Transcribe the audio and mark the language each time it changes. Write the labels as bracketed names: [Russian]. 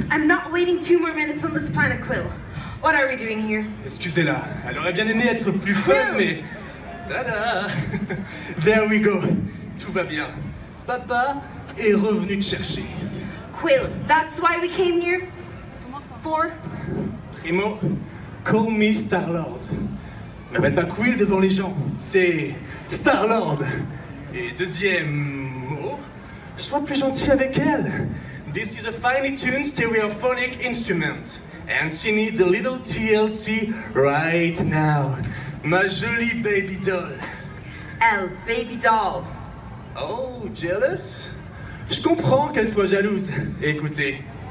[English] I'm not waiting two more minutes on this planet, Quill. What are we doing here? [French] Excusez-la, elle aurait bien aimé être plus folle, mais... [English] Ta-da! There we go. [French] Tout va bien. Papa est revenu te chercher. [English] Quill, that's why we came here? For? Primo, call me Star-Lord. [French] Ne mette pas Quill devant les gens, c'est Star-Lord. Et deuxième mot, sois plus gentil avec elle. [English] This is a finely tuned stereophonic instrument, and she needs a little TLC right now. [French] Ma jolie baby doll. Elle, baby doll. [English] Oh, jealous? [French] Je comprends qu'elle soit jalouse. Écoutez.